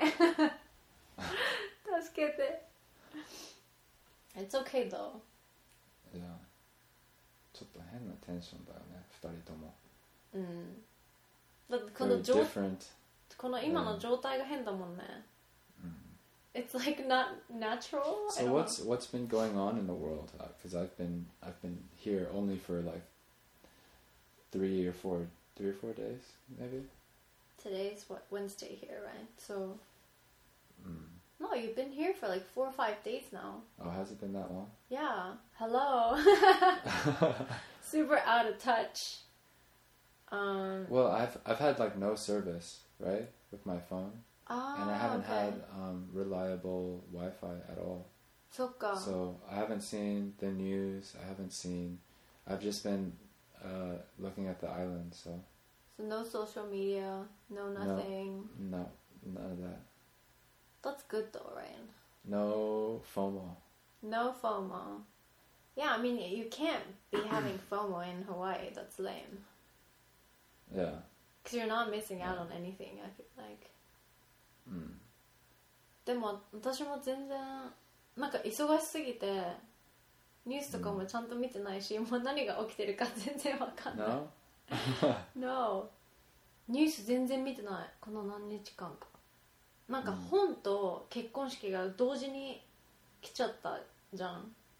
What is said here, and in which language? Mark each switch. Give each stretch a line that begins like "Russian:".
Japanese: 助けて。
English: It's okay though。
Japanese: いや、ちょっと変なテンションだよね、二人とも。だってこの状態、この今の状態が変だもんね。
English: It's like not natural. So what's been going on in the world? Because I've been here only for like three or four days, maybe. Today's what, Wednesday here, right? So,、 No, you've been here for like 4 or 5 days now. Oh, has it been that long? Yeah. Hello. Super out of touch. Well, I've had like no service, right, with my phone. And I haven't had reliable Wi-Fi at all. So, so I haven't seen the news. I've just been... looking at the island, so. So no social media, no nothing. No, none of that. That's good though, right? No FOMO. No FOMO. Yeah, I mean, you can't be having FOMO in Hawaii, that's lame. Yeah. Because you're not missing out on anything, I feel like.
Japanese: でも私も全然、なんか忙しすぎて、ニュースとかもちゃんと見てないし、もう何が起きてるか全然わかんない。
English: No? No.
Japanese: ニュース全然見てない、この何日間か。なんか本と結婚式が同時に来ちゃったじゃん。